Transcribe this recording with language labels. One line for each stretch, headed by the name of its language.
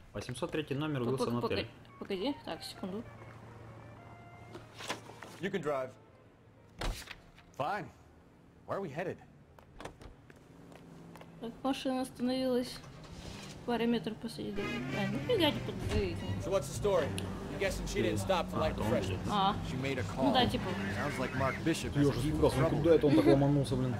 Russian: 803 номер, Уилсон отель. Погоди, так, секунду.
English: You can drive. Fine. Where are we headed?
Russian: Так, машина остановилась. Паре метров посреди дороги. А, нифига не подъедет.
English: So what's the story? I'm guessing she didn't stop for light refreshments. She made a call.
Russian: Ну да, типа.
English: Sounds like Mark Bishop.
Russian: Ёж, ну куда это он так ломанулся, блин?